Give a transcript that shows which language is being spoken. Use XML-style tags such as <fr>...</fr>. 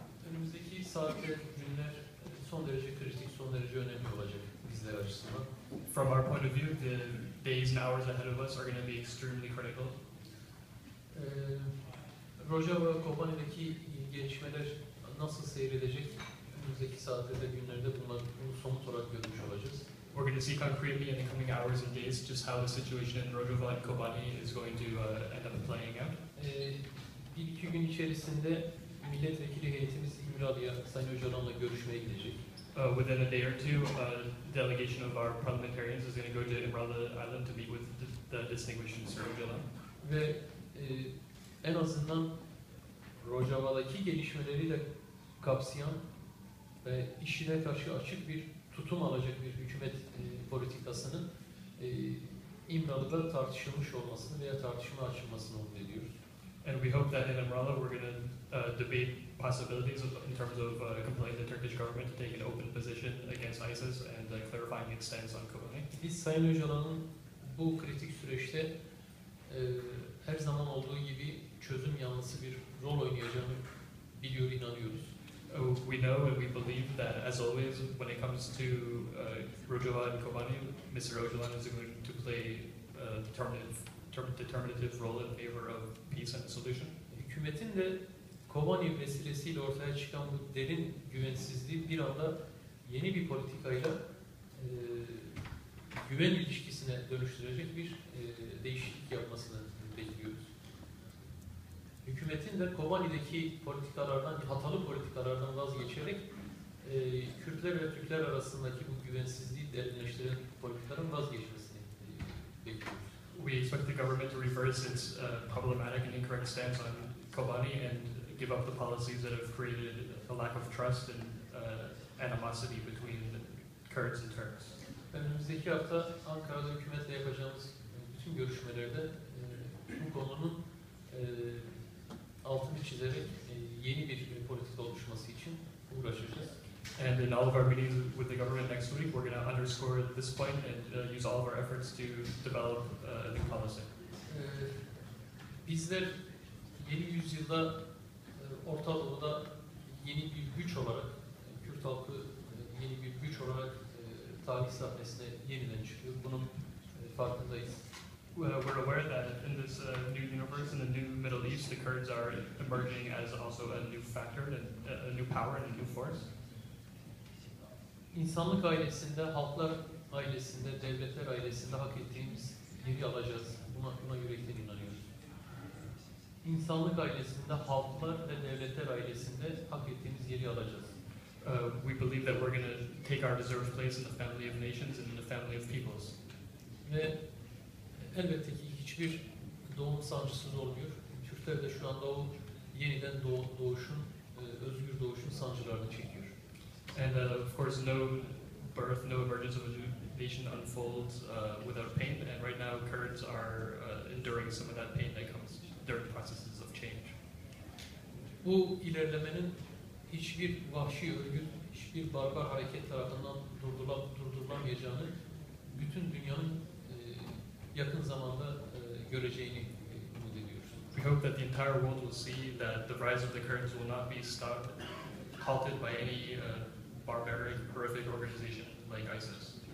<tr>Önümüzdeki saatte günler son derece kritik, son derece önemli olacak bizler açısından.</tr> <en>From our point of view, the days and hours ahead of us are going to be extremely critical.</en> <tr>Rojava, Kobani'deki gelişmeler nasıl seyredecek? Önümüzdeki saatlerde, günlerde bunu somut olarak görmüş olacağız.</tr> <en>We're going to see concretely in the coming hours and days just how the situation in Rojava and Kobani is going to end up playing out.</en> <tr>Bir iki gün içerisinde milletvekili heyetimiz İmralı'ya Sayın Öcalan'la görüşmeye gidecek.</tr> <en>Within a day or two, a delegation of our parliamentarians is going to go to İmralı Island to meet with the distinguished Mr. Öcalan.</en> <tr>Ve en azından Rojava'daki gelişmeleri de kapsayan ve işine karşı açık bir tutum alacak bir hükümet politikasının İmralı'da tartışılmış olmasını veya tartışma açılmasını umut ediyoruz.</tr> <en>And we hope that in Imrala we're going to debate possibilities of, in terms of complaining the Turkish government to take an open position against ISIS and clarifying its stance on Kobani.</en> <tr>Biz Sayın Öcalan'ın bu kritik süreçte her zaman olduğu gibi çözüm yanlısı bir rol oynayacağını biliyor, inanıyoruz.</tr> <en>We know and we believe that, as always, when it comes to Rojava and Kobani, Mr. Öcalan is going to play a determinative role in favor of peace and solution.</en> <tr>Hükümetin de Kobani vesilesiyle ortaya çıkan bu derin güvensizliği bir anda yeni bir politikayla güven ilişkisine dönüştürecek bir değişiklik yapmasını bekliyoruz. Hükümetin de Kobani'deki politikalardan, hatalı politikalardan vazgeçerek Kürtler ve Türkler arasındaki bu güvensizliği derinleştiren politikaların vazgeçmesini bekliyoruz.</tr> <en>We expect the government to reverse its problematic and incorrect stance on Kobani and give up the policies that have created a lack of trust and animosity between the Kurds and Turks.</en> <tr>Önümüzdeki hafta Ankara'da hükümetle yapacağımız bütün görüşmelerde bu konunun altını çizerek yeni bir politika oluşması için uğraşacağız.</tr> <en>And in all of our meetings with the government next week, we're going to underscore this point and use all of our efforts to develop a new policy.</en> <tr>Bizler yeni yüzyılda Orta Doğu'da yeni bir güç olarak, Kürt halkı yeni bir güç olarak tarih sahnesine yeniden çıkıyor. Bunun farkındayız.</tr> <en>We're aware that in this new universe, in the new Middle East, the Kurds are emerging as also a new factor, and a new power and a new force.</en> <tr>İnsanlık ailesinde, halklar ailesinde, devletler ailesinde hak ettiğimiz yeri alacağız. Buna yürekten inanıyoruz. İnsanlık ailesinde, halklar ve devletler ailesinde hak ettiğimiz yeri alacağız.</tr> <en>We believe that we're going to take our deserved place in the family of nations and in the family of peoples.</en> <tr>Ve elbette ki hiçbir doğum sancısı olmuyor. Türkler de şu anda o yeniden doğuşun, özgür doğuşun sancılarını çekiyor.</tr> <en>And of course, no birth, no emergence of a new nation unfolds without pain. And right now, Kurds are enduring some of that pain that comes during processes of change.</en> <tr>Bu ilerlemenin hiçbir vahşi örgüt, hiçbir barbar hareket tarafından durdurulamayacağını bütün dünyanın yakın zamanda göreceğini umut ediyoruz.</tr> <en>We hope that the entire world will see that the rise of the Kurds will not be stopped, halted by any barbaric, horrific organization like ISIS.</en>